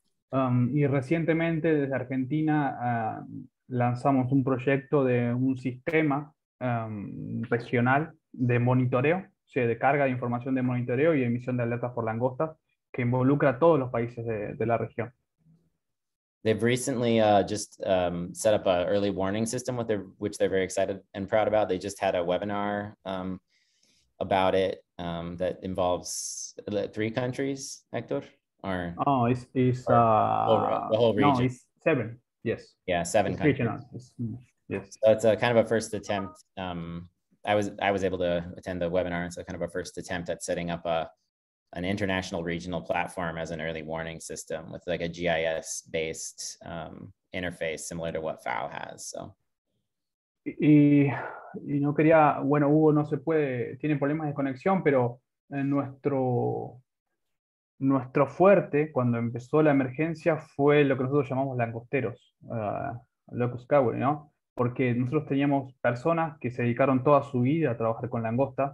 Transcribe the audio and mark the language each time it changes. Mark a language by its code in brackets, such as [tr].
[es] Y recientemente desde Argentina lanzamos un proyecto de un sistema regional de monitoreo, o sea, de carga de información de monitoreo y emisión de alertas por langostas que involucra a todos los países de la región. [en] They've recently set up an early warning system which they're very excited and proud about. They just had a webinar about it that involves three countries, Hector. Seven. Yes. Yeah, seven. It's countries. Yes. So it's a kind of a first attempt. I was able to attend the webinar, and so kind of a first attempt at setting up an international regional platform as an early warning system with like a GIS based interface similar to what FAO has. So. [es] Y no quería, bueno, Hugo no se puede, tiene problemas de conexión, pero en nuestro fuerte cuando empezó la emergencia fue lo que nosotros llamamos langosteros, [en] locust cowboy, [es] ¿no? Porque nosotros teníamos personas que se dedicaron toda su vida a trabajar con langosta.